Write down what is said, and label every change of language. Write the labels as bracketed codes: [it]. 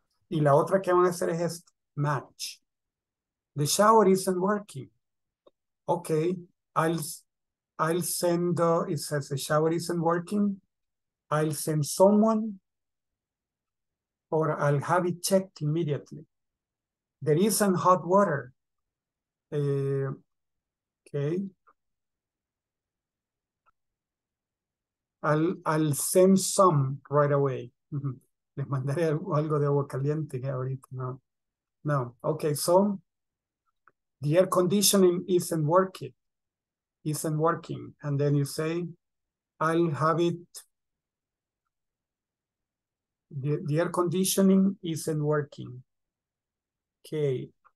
[es] Y la otra que van a hacer es match. [en] The shower isn't working. Okay. I'll send, it says the shower isn't working. I'll send someone or I'll have it checked immediately. There isn't hot water. Okay. I'll send some right away. [es] Les mandaré algo de agua caliente ahorita, no. [en] No, okay, so the air conditioning isn't working. And then you say, I'll have it, the air conditioning isn't working. Okay.